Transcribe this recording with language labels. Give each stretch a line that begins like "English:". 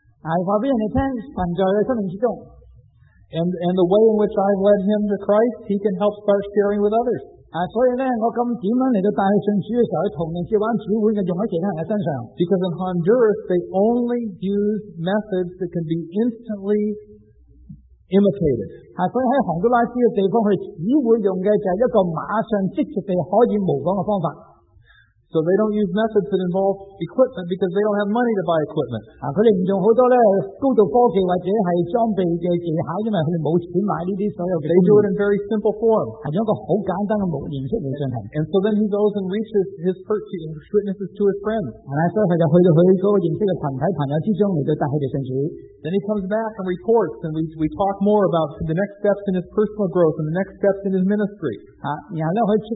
English: And the way in which I've led him to Christ, he can help start sharing with others. Because in Honduras, they only use methods that can be instantly imitated.
Chinese: 所以在洪都拉斯的地方，他只会用的就是一个马上即时地可以模仿的方法。
English: So they don't use methods that involve equipment because they don't have money to buy equipment.
Chinese: 他们用很多高度科技或者是装备的技巧，因为他们没钱买这些所有的。
English: They do it in very simple form.
Chinese: 用一个很简单的模型式来进行。
English: And so then he goes and reaches his witnesses to his friends.
Chinese: 所以他就去到那个认识的群体朋友之中，来带他们信主。
English: Then he comes back and reports, and we talk more about the next steps in his personal growth and the next steps in his ministry.